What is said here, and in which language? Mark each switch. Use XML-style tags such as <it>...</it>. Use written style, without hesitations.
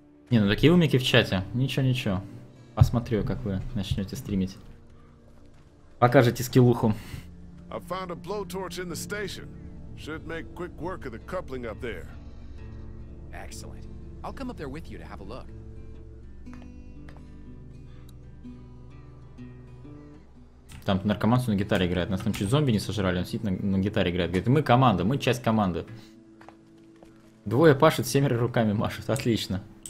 <ru>Не, ну такие умники в чате. Ничего-ничего. Посмотрю, как вы начнете стримить. Покажите скиллуху.</ru> <en>I found a blowtorch in the station. Should make quick work of the coupling up there. Excellent. I'll come up there with you to have a look.</en> <ru>Там наркоман на гитаре играет. Нас там чуть зомби не сожрали, он сидит на гитаре играет. Говорит, мы команда, мы часть команды. Двое пашут, семеро руками машут. Отлично.</ru>